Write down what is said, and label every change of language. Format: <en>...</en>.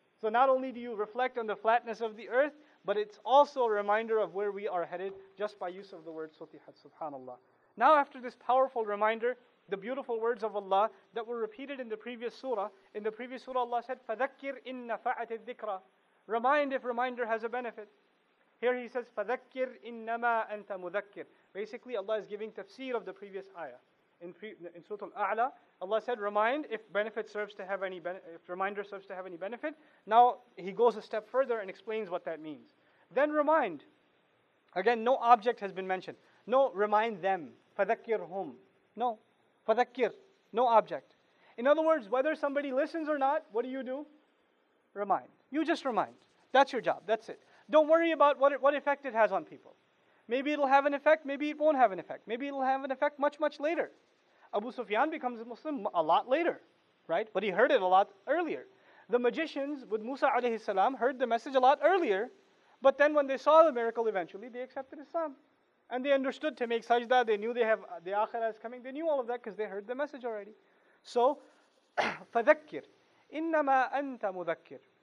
<en>So not only do you reflect on the flatness of the earth, but it's also a reminder of where we are headed just by use of the word سُطِحَتْ. SubhanAllah. Now after this powerful reminder, the beautiful words of Allah that were repeated in the previous surah. In the previous surah Allah said,</en> <ar>فَذَكِّرْ إِنَّ فَعَتِ الذِّكْرَ.</ar> <en>Remind if reminder has a benefit. Here he says,</en> <ar>فَذَكِّرْ إِنَّمَا أَنْتَ مُذَكِّرْ.</ar> <en>Basically, Allah is giving tafsir of the previous ayah. In Surah Al-A'la, Allah said, remind if benefit serves to have any if reminder serves to have any benefit. Now, he goes a step further and explains what that means. Then remind. Again, no object has been mentioned. No, remind them. فَذَكِّرْهُمْ. No. فَذَكِّرْ. No object. In other words, whether somebody listens or not, what do? Remind. You just remind. That's your job. That's it. Don't worry about what effect it has on people. Maybe it'll have an effect, maybe it won't have an effect. Maybe it'll have an effect much, much later. Abu Sufyan becomes a Muslim a lot later, right? But he heard it a lot earlier. The magicians with Musa alayhi salam heard the message a lot earlier, but then when they saw the miracle eventually, they accepted Islam. And they understood to make sajda, they knew they have the akhirah is coming, they knew all of that because they heard the message already. So,</en> <ar>فَذَكِّرْ إِنَّمَا أَنْتَ مُذَكِّرْ.</ar>